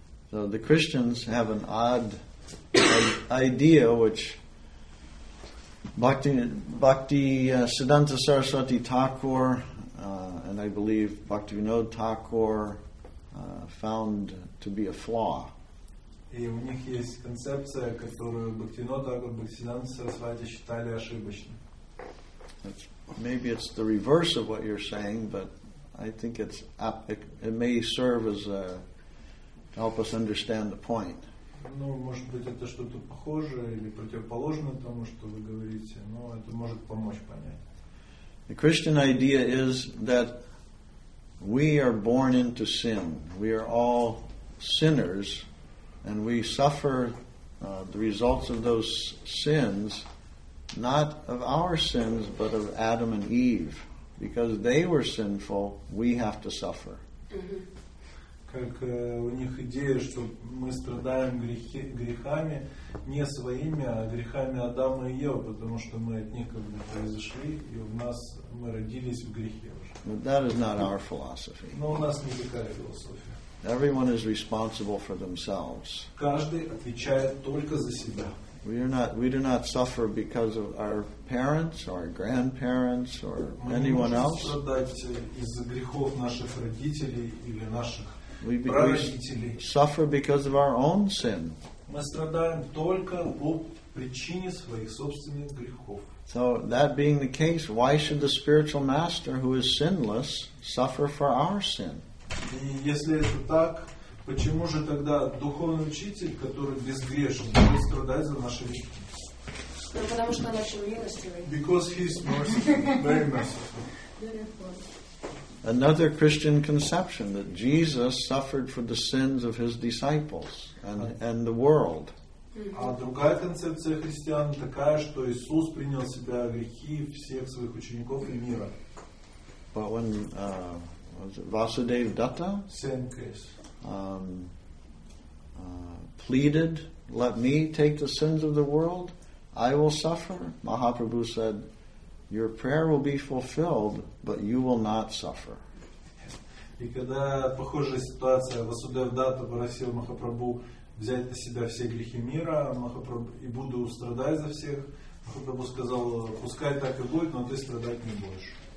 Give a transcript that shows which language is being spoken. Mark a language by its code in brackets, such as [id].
[en] So the Christians have an odd idea which Bhakti Siddhanta Saraswati Thakur and I believe Bhakti Vinod Thakur found to be a flaw. [ru] И у них есть концепция, которую Бхактивинода Тхакур, Бхактисиддханта Сарасвати считали ошибочной. [en] Maybe it's the reverse of what you're saying, but I think it may serve as a to help us understand the point. [ru] Ну, может быть, это что-то похожее или противоположное тому, что вы говорите, но это может помочь понять. [en] The Christian idea is that we are born into sin. We are all sinners. And we suffer the results of those sins, not of our sins, but of Adam and Eve. Because they were sinful, we have to suffer. [ru] Как у них идея, что мы страдаем грехами, не своими, а грехами Адама и Евы, потому что мы от них как бы произошли, и у нас мы родились в грехе уже. [en] But that is not our philosophy. [ru] Но у нас не такая философия. [en] Everyone is responsible for themselves. [ru] Каждый отвечает только за себя. [en] We do not suffer because of our parents or our grandparents or anyone else. [ru] Мы не можем страдать из-за грехов наших родителей или наших прародителей. [en] We suffer because of our own sin. [ru] Мы страдаем только по причине своих собственных грехов. [en] So that being the case, why should the spiritual master who is sinless suffer for our sin? [ru] И если это так, почему же тогда духовный учитель, который безгрешен, будет страдать за наши грехи? Ну, потому что он очень милостивый. [en] Because he is merciful, very merciful. Another Christian conception that Jesus suffered for the sins of his disciples and the world. [ru] А другая концепция христиан такая, что Иисус принял на себя грехи всех своих учеников и мира. [en] But when Vasudev Dutta pleaded, let me take the sins of the world, I will suffer. Mahaprabhu said, your prayer will be fulfilled, but you will not suffer. [ru] И когда похожая ситуация, Васудев Датта попросил Махапрабху взять на себя все грехи мира, и буду страдать за всех, Махапрабху сказал, пускай так и будет, но ты страдать не будешь.